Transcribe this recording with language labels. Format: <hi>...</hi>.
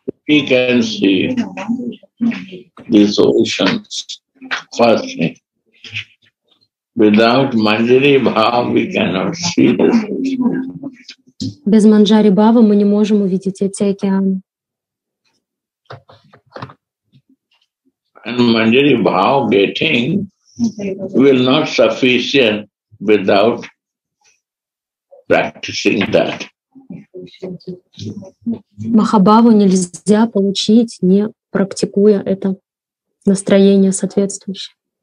<en>We can see these oceans firstly. Without Manjari Bhava, we cannot see this.</en> <ru>Без Манджари Бхавы мы не можем увидеть эти океаны.</ru> <en>And Manjari Bhav getting will not sufficient without practicing that.</en> <ru>Махабаву нельзя получить, не практикуя это настроение соответствующее.</ru>